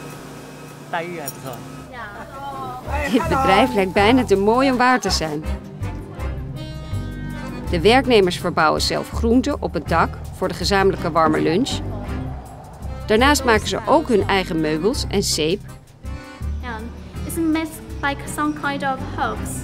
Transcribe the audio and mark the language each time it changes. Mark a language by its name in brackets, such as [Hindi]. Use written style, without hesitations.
[Chinese] 老闆啊,非常好的人,很有人情味的人。他是念佛嘛,所以說他才會往這方面走,對不對?他的工作很棒啊,不錯啊。保持心情愉快啊。待遇還不錯。 [Dutch] Het bedrijf lijkt bijna te mooi om waar te zijn. De werknemers verbouwen zelf groenten op het dak voor de gezamenlijke warme lunch. Daarnaast maken ze ook hun eigen meubels en zeep. [English] Yeah, it's made like some kind of herbs.